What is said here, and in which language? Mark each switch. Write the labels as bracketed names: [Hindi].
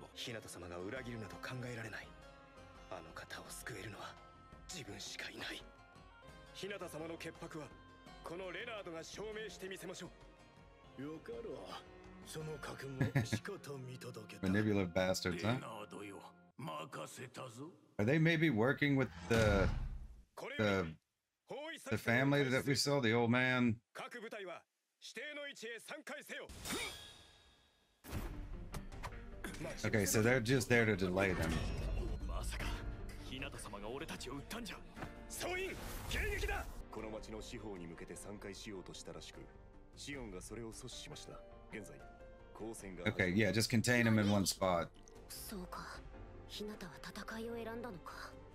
[Japanese] ヒナタ様が裏切るなど考えられない。あの方を救えるのは自分しかいない。ヒナタ様の潔白はこのレナードが証明してみせましょう。よかろう。その覚悟しかと見届けた。マニピュラティブバスターズ、レナードよ、任せたぞ。 [English] Are they maybe working with the family that we saw, the old man? [Japanese] 各部隊は指定の位置へ散開せよ。 [English] Okay, so they're just there to delay them. [Japanese] ヒナタ様が俺たちを撃ったんじゃ。総員、迎撃だ。この町の四方に向けて散開しようとしたらしく、シオンがそれを阻止しました。現在、交戦が。 [English] Okay, yeah, just contain him in one spot. [Japanese] そうか、ヒナタは戦いを選んだのか。